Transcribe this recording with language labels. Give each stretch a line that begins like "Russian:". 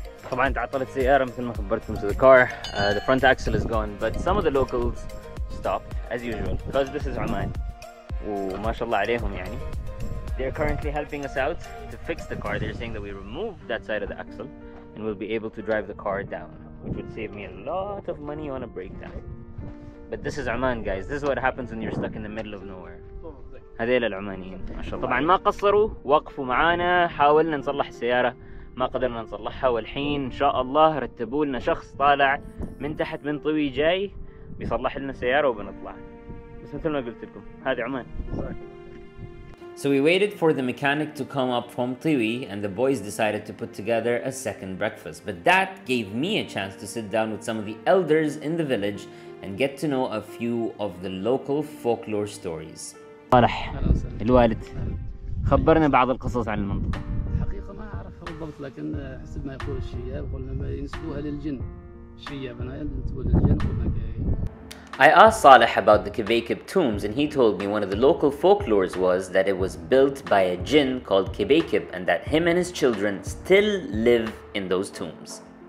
Arabic: طبعاً تعطلت سيارة مثل ما خبرتكم
English: to the car. The front axle is gone, but some of the locals stopped as usual because this is Oman.
Arabic: وما شاء الله عليهم يعني.
English: They're currently helping us out to fix the car. They're saying that we remove that side of the axle and we'll be able to drive the car down, which would save me a lot of money on a breakdown. But this is Oman, guys. This is what happens when you're stuck in the middle of nowhere.
Arabic: هذيل العمانيين ما شاء الله. طبعا ما قصروا وقفوا معانا حاولنا نصلح السيارة ما قدرنا نصلحها والحين ان شاء الله رتبوا لنا شخص طالع من تحت من طوي جاي بيصلح لنا السيارة وبنطلع. بس مثل ما قلت لكم هذه عمان.
English: So we waited for the mechanic to come up from Tiwi and the boys decided to put together a second breakfast. But that gave me a chance to sit down with some of the elders in the village and get to know a few of the local folklore stories.
Arabic: صالح الوالد خبرنا بعض القصص عن المنطقة. حقيقة ما أعرف بالضبط لكن حسب ما يقول الشياب قلنا ما ينسبوها للجن. الشياب أنا ينسبوها للجن قلنا
English: I asked Saleh about the Kebekeb tombs and he told me one of the local folklores was that it was built by a jinn called Kebekeb and that him and his children still live in those tombs.